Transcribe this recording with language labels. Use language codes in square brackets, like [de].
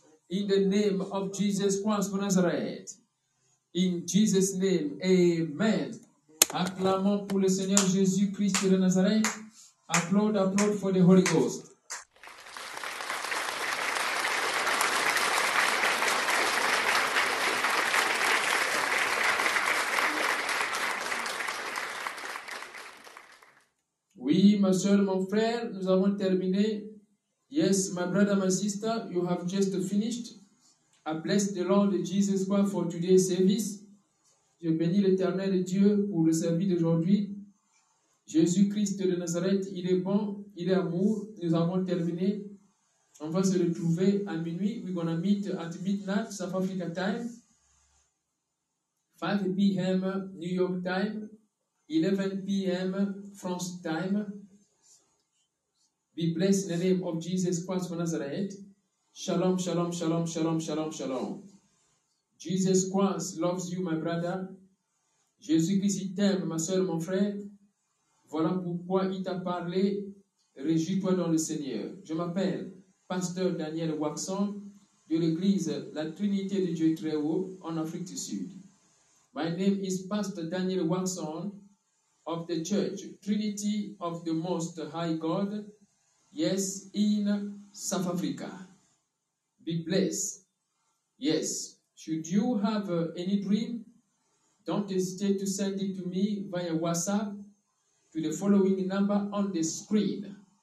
[en] In the name of Jesus Christ of Nazareth. In Jesus' name, amen. [fr] Acclamons pour le Seigneur Jésus-Christ de Nazareth. [en] Applaud, applaud for the Holy Ghost. [fr] Oui, ma soeur, mon frère, nous avons terminé. [en] Yes, my brother, my sister, you have just finished. I bless the Lord Jesus Christ for today's service. [fr] Je bénis l'Éternel Dieu pour le service d'aujourd'hui. Jésus-Christ de Nazareth, il est bon, il est amour. Nous avons terminé. On va se retrouver à minuit. [en] We're going to meet at midnight, South Africa time. 5 p.m. New York time. 11 p.m. France time. Be blessed in the name of Jesus Christ of Nazareth. Shalom, shalom, shalom, shalom, shalom, shalom. Jesus Christ loves you, my brother. [fr] Jésus-Christ, il t'aime, ma soeur, mon frère. Voilà pourquoi il t'a parlé. Réjouis-toi dans le Seigneur. Je m'appelle Pasteur Daniel Waxon de l'Église La Trinité de Dieu Très-Haut en Afrique du Sud. [en] My name is Pastor Daniel Waxon of the Church Trinity of the Most High God. Yes, in South Africa. Be blessed. Yes. Should you have any dream, don't hesitate to send it to me via WhatsApp to the following number on the screen.